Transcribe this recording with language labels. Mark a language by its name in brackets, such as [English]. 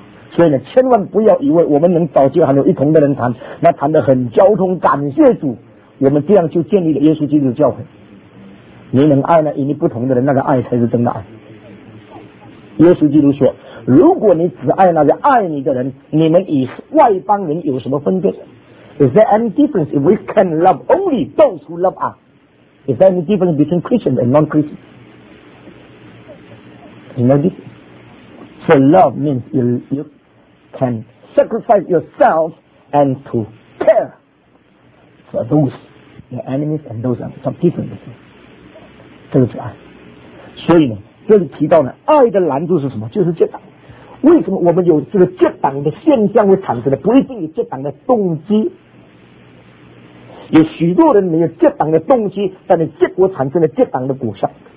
[Chinese] 所以呢千万不要以为我们能找机会有一同的人谈，那谈得很交通，感谢主，我们这样就建立了耶稣基督的教会。你能爱呢与你不同的人，那个爱才是真的爱。耶稣基督说，如果你只爱那个爱你的人，你们与外邦人有什么分别？ [English] Is there any difference if we can love only those who love us? Is there any difference between Christians and non-Christians? No difference. So love means you can sacrifice yourself and to care for those your enemies and those are some different things. [Chinese] 这个是爱。所以呢这里提到呢爱的拦阻是什么？就是这样。为什么我们有这个结党的现象会产生的？不一定有结党的动机，有许多人没有结党的动机，但是结果产生了结党的果效。